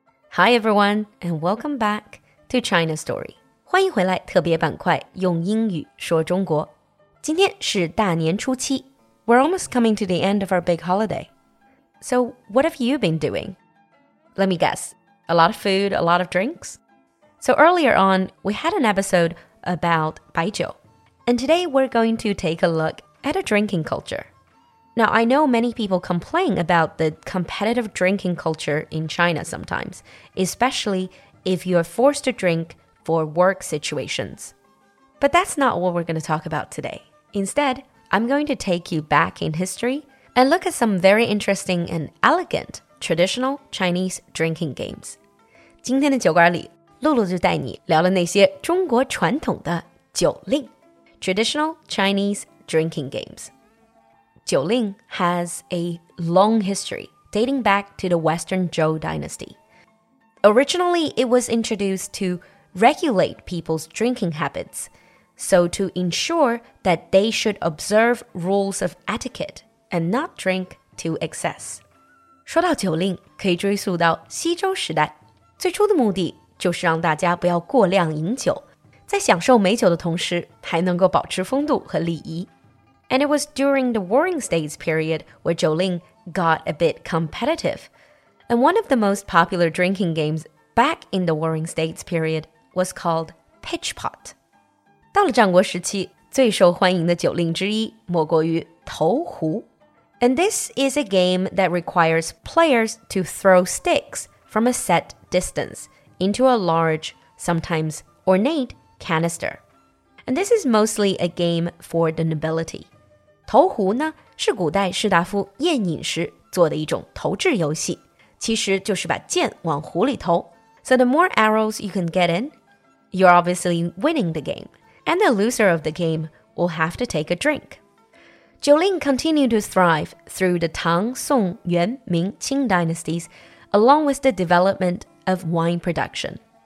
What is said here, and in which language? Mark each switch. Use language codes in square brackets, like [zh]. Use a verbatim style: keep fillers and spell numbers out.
[en] Hi everyone, and welcome back to China Story. [zh] 欢迎回来特别板块用英语说中国。今天是大年初七 [en] We're almost coming to the end of our big holiday. So what have you been doing? Let me guess. A lot of food, a lot of drinks? So earlier on, we had an episode about 白酒. And today we're going to take a look at a drinking culture. Now, I know many people complain about the competitive drinking culture in China sometimes, especially if you are forced to drink for work situations. But that's not what we're going to talk about today. Instead, I'm going to take you back in history and look at some very interesting and elegant traditional Chinese drinking games. [zh] 今天的酒馆里，露露就带你聊了那些中国传统的酒令 [en] Traditional Chinese drinking games. Jiu Ling has a long history dating back to the Western Zhou dynasty. Originally, it was introduced to regulate people's drinking habits, so to ensure that they should observe rules of etiquette and not drink to excess. [zh] 说到酒令，可以追溯到西周时代，最初的目的就是让大家不要过量饮酒，在享受美酒的同时，还能够保持风度和礼仪。 [en] And it was during the Warring States period where Jiu Ling got a bit competitive. And one of the most popular drinking games back in the Warring States period was called pitch pot. [zh] 到了战国时期，最受欢迎的酒令之一莫过于投壶。 [en] And this is a game that requires players to throw sticks from a set distance into a large, sometimes ornate, canister. And this is mostly a game for the nobility. [zh] 投壶呢，是古代士大夫宴饮时做的一种投掷游戏，其实就是把箭往壶里投。 [en] So the more arrows you can get in, you're obviously winning the game, and the loser of the game will have to take a drink. Jiu Ling continued to thrive through the Tang, Song, Yuan, Ming, Qing dynasties, along with the development of wine production.